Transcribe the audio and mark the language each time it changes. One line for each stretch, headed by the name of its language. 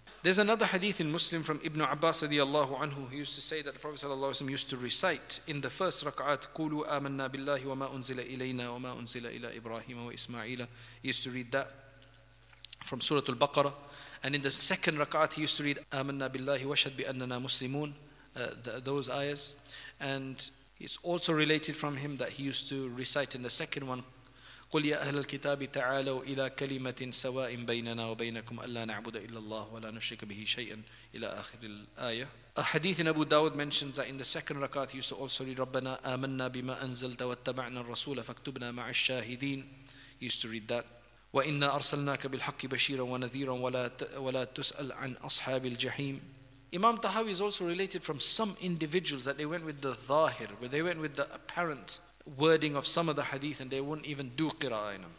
English: There's another hadith in Muslim from Ibn Abbas radiyallahu anhu. He used to say that the Prophet sallallahu alayhi wa sallam used to recite in the first raka'at,
Arabic: قُولُوا آمَنَّا بِاللَّهِ وَمَا أُنزِلَ إِلَيْنَا وَمَا أُنزِلَ إِلَىٰ إِبْرَاهِيمَ وَإِسْمَعِيلَ.
English: He used to read that from Surah Al-Baqarah. And in the second raka'at, he used to read,
Arabic: آمَنَّا بِاللَّهِ وَشَدْ بِأَنَّنَا مُسْلِمُونَ,
English: those ayahs. And it's also related from him that he used to recite in the second one,
Arabic: قُلْ يَا أَهْلَ الْكِتَابِ تَعَالَوْا إِلَىٰ كَلِمَةٍ سَوَاءٍ بَيْنَنَا وَبَيْنَكُمْ أَلَّا نَعْبُدَ إِلَّا اللَّهُ وَلَا نُشْرِكَ بِهِ شَيْئًا إِلَىٰ آخِرِ الْآيَةِ.
English: A hadith in Abu Dawud mentions that in the second rakat he used to also read
Arabic: رَبَّنَا آمَنَّا بِمَا أَنزَلْتَ وَاتَّبَعْنَا الرَّسُولَ فَاكْتُبْنَا مَعَ الشَّاهِدِينَ.
English: He used to read that.
Arabic: وَإِنَّا أَرْسَلْنَاكَ بِالْحَقِّ بَشِيرًا وَنَذِيرًا وَلَا تُسْأَلْ عَنْ أَصْحَابِ الْجَحِيمِ.
English: Imam Tahawi is also related from some individuals that they went with the ظاهر, where they went with the apparent wording of some of the hadith and they wouldn't even do qira'ah in them.